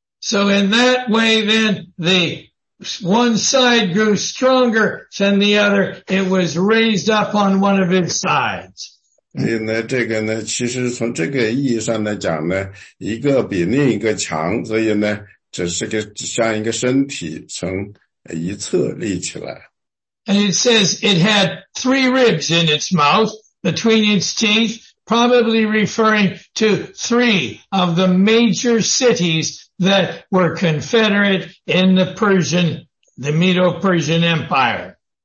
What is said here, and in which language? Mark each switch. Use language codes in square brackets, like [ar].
[en] So in that way then, the one side grew stronger than the other. It was raised up on one of its sides. [zh] 所以呢，这个呢，其实从这个意义上来讲呢，一个比另一个强，所以呢，只是个像一个身体从一侧立起来。 [en] And it says it had three ribs in its mouth between its teeth, probably referring to three of the major cities that were confederate in the Persian, the Medo-Persian Empire.